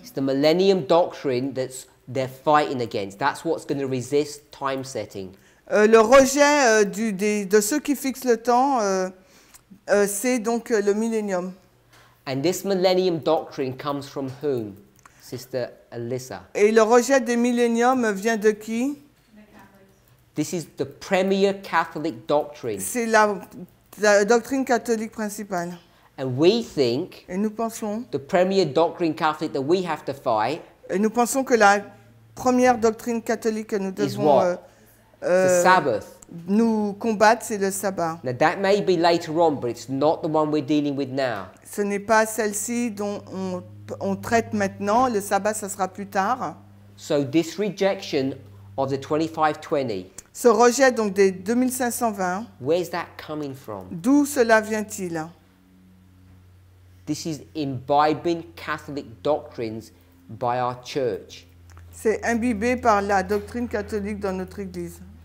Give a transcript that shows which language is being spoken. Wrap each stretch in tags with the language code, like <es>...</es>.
<en>It's the millennium doctrine that's they're fighting against. That's what's going to resist time setting.</en> <fr>Le rejet de ceux qui fixent le temps, c'est donc le millennium.</fr> <en>And this millennium doctrine comes from whom, Sister Alyssa?</en> <fr>Et le rejet des milléniums vient de qui?</fr> <en>This is the premier Catholic doctrine.</en> <fr>C'est la doctrine catholique principale.</fr> <en>And we think</en> <fr>et nous pensons</fr> <en>the premier doctrine Catholic that we have to fight.</en> <fr>Et nous pensons que la première doctrine catholique que nous devons</fr> <en>the Sabbath.</en> <fr>Nous combattre, c'est le sabbat.</fr> <en>Now that may be later on, but it's not the one we're dealing with now.</en> <fr>Ce n'est pas celle-ci dont on traite maintenant. Le sabbat, ça sera plus tard.</fr> <en>So this rejection of the 2520.</en> <fr>Ce rejet donc des 2520.</fr> <en>Where's that coming from?</en> <fr>D'où cela vient-il?</fr> <en>This is imbibing Catholic doctrines by our church.</en> <fr>C'est imbibé par la doctrine catholique dans notre église.</fr>